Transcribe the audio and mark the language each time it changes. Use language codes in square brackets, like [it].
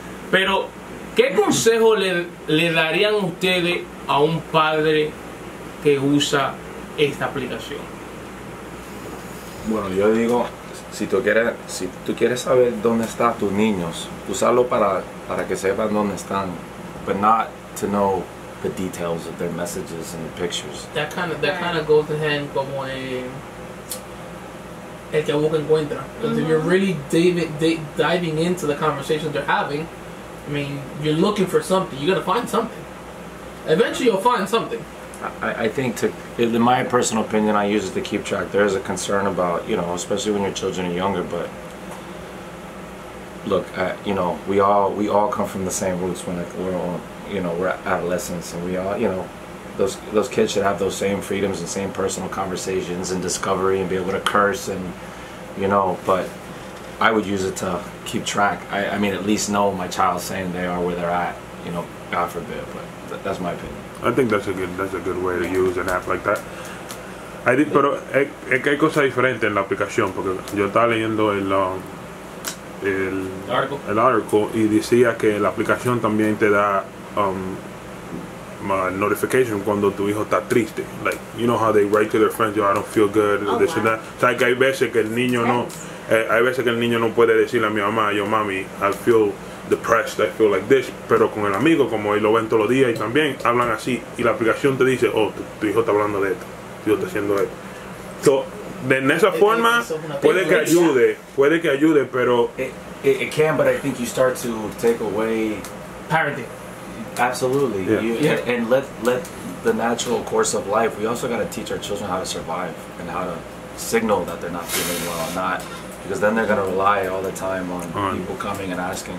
[es] Pero, ¿qué consejo le darían ustedes a un padre que usa esta aplicación? Bueno, yo digo, si tú quieres saber dónde están tus niños, usarlo para que sepan dónde están. [en] But not to know the details of their messages and their pictures. That kind of goes to hand [es] como el que busca encuentra. [en] Because if you're really diving into the conversations they're having, I mean, you're looking for something. You're gonna find something. Eventually, you'll find something. I think, in my personal opinion, I use it to keep track. There is a concern about, you know, especially when your children are younger, but look, we all come from the same roots when we're adolescents, and we all, you know, those kids should have those same freedoms and same personal conversations and discovery and be able to curse and, you know, but I would use it to keep track. I mean, at least know my child's saying they are where they're at, you know, God forbid, but that's my opinion. I think that's a good way to use an app like that. [es] Pero es que hay cosas diferentes en la aplicación, porque yo estaba leyendo el article y decía que la aplicación también te da notification cuando tu hijo está triste. [en] Like, you know how they write to their friends, yo, I don't feel good, oh, this and that. [es] O sea, que hay veces que el niño no puede decirle a mi mamá, yo, mami, [en] I feel depressed, I feel like this, [es] pero con el amigo, como él lo ven todos los días y también hablan así, y la aplicación te dice, oh, tu hijo está hablando de esto, tu hijo está haciendo esto. So, en esa forma, puede que ayude, pero... [en] It can, but I think you start to take away... Parenting. Absolutely. Yeah. And let the natural course of life, we also got to teach our children how to survive and how to signal that they're not feeling well, not... Because then they're gonna rely all the time on people coming and asking.